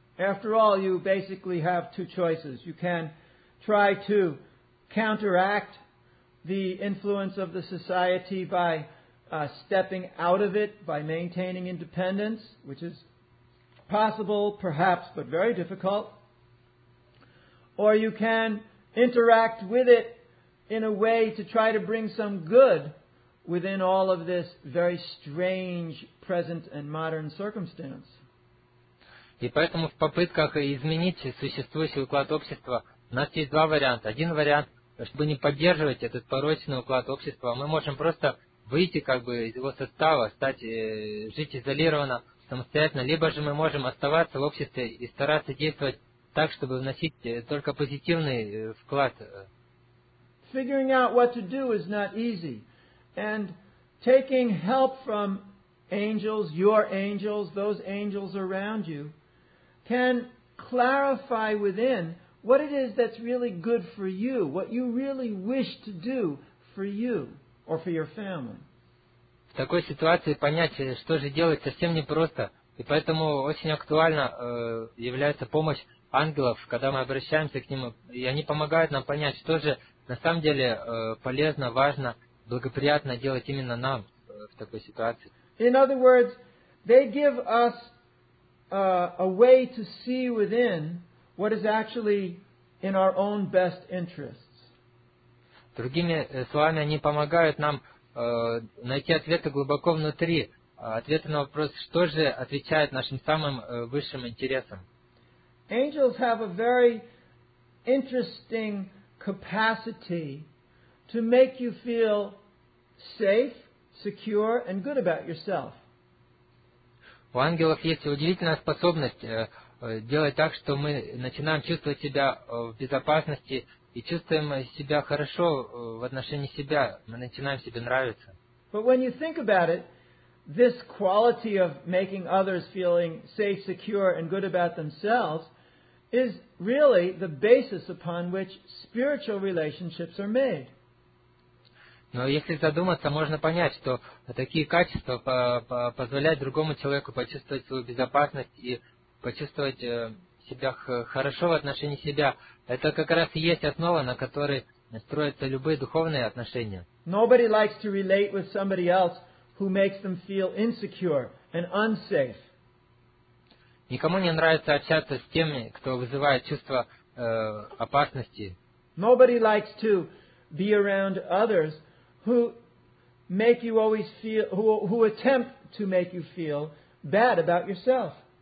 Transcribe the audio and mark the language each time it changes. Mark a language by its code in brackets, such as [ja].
[en] After all, you basically have two choices. You can try to counteract the influence of the society by stepping out of it, by maintaining independence, which is possible, perhaps, but very difficult. Or you can interact with it in a way to try to bring some good within all of this very strange present and modern circumstance. [ru] И поэтому в попытках изменить существующий уклад общества У нас есть два варианта. Один вариант, чтобы не поддерживать этот порочный уклад общества, мы можем просто выйти как бы из его состава, стать, жить изолированно, самостоятельно. Либо же мы можем оставаться в обществе и стараться действовать так, чтобы вносить только позитивный вклад. [en] Figuring out what to do is not easy. And taking help from angels, your angels, those angels around you, can clarify within what it is that's really good for you, what you really wish to do for you or for your family. [ru] В такой ситуации понять, что же делать, совсем непросто. И поэтому очень актуально является помощь ангелов, когда мы обращаемся к ним, и они помогают нам понять, что же на самом деле полезно, важно, благоприятно делать именно нам в такой ситуации. [en] In other words, they give us a way to see within what is actually in our own best interests. [ru] Другими словами, они помогают нам найти ответы глубоко внутри, ответы на вопрос, что же отвечает нашим самым высшим интересам. [en] Angels have a very interesting capacity to make you feel safe, secure, and good about yourself. [ru] У ангелов есть удивительная способность делать так, что мы начинаем чувствовать себя в безопасности и чувствуем себя хорошо в отношении себя, мы начинаем себе нравиться. [en] But when you think about it, this quality of making others feeling safe, secure, and good about themselves is really the basis upon which spiritual relationships are made. [ru] Но если задуматься, можно понять, что такие качества позволяют другому человеку почувствовать свою безопасность и почувствовать себя хорошо в отношении себя. Это как раз и есть основа, на которой строятся любые духовные отношения. [en] Nobody likes to relate with somebody else who makes them feel insecure and unsafe. [ru] Никому не нравится общаться с теми, кто вызывает чувство опасности. [en] Nobody likes to be around others who make you always feel who attempt to make you feel bad about yourself.